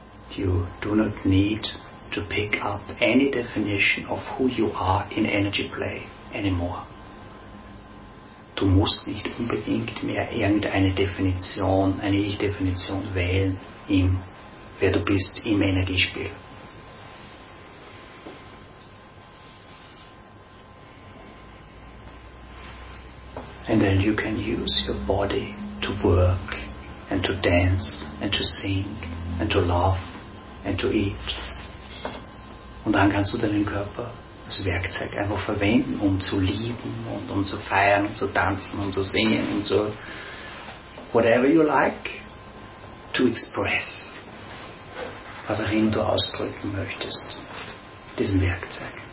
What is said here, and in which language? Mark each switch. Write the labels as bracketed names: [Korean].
[English] You do not need to pick up any definition of who you are in energy play anymore. [German] Du musst nicht unbedingt mehr irgendeine Definition, eine Ich-Definition wählen im, wer du bist im Energiespiel. [English] And then you can use your body to work and to dance and to sing and to love and to eat. [German] Und dann kannst du deinen Körper als Werkzeug einfach verwenden, um zu lieben und um zu feiern, um zu tanzen, um zu singen und so. [English] Whatever you like to express, [German] was auch immer du ausdrücken möchtest, diesem Werkzeug.